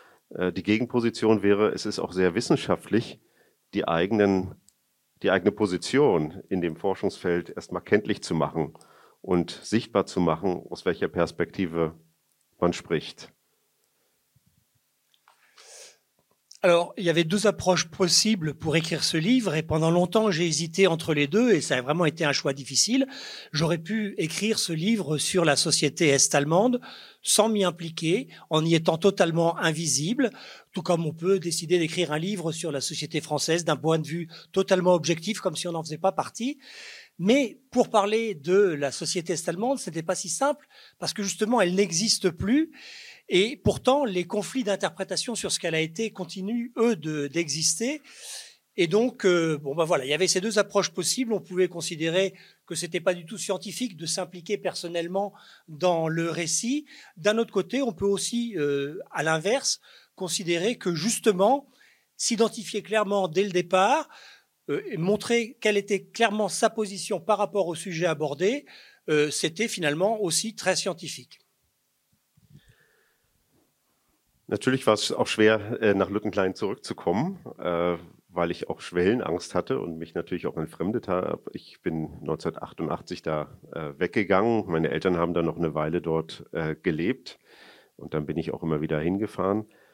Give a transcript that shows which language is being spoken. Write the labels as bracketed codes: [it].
[de] Die Gegenposition wäre, es ist auch sehr wissenschaftlich, die eigene Position in dem Forschungsfeld erstmal kenntlich zu machen und sichtbar zu machen, aus welcher Perspektive man spricht. [fr] Alors, il y avait deux approches possibles pour écrire ce livre, et pendant longtemps, j'ai hésité entre les deux, et ça a vraiment été un choix difficile. J'aurais pu écrire ce livre sur la société est-allemande, sans m'y impliquer, en y étant totalement invisible, tout comme on peut décider d'écrire un livre sur la société française d'un point de vue totalement objectif, comme si on n'en faisait pas partie. Mais pour parler de la société est-allemande, ce n'était pas si simple, parce que justement, elle n'existe plus. Et pourtant, les conflits d'interprétation sur ce qu'elle a été continuent, eux, d'exister. Et donc, voilà, il y avait ces deux approches possibles. On pouvait considérer que c'était pas du tout scientifique de s'impliquer personnellement dans le récit. D'un autre côté, on peut aussi, à l'inverse, considérer que justement, s'identifier clairement dès le départ, montrer quelle était clairement sa position par rapport au sujet abordé, c'était finalement aussi très scientifique. [de] Natürlich war es auch schwer, nach Luton Klein zurückzukommen, weil ich auch Schwellenangst hatte und mich natürlich auch entfremdet habe. Ich bin 1988 da weggegangen. Meine Eltern haben dann noch eine Weile dort gelebt und dann bin ich auch immer wieder hingefahren.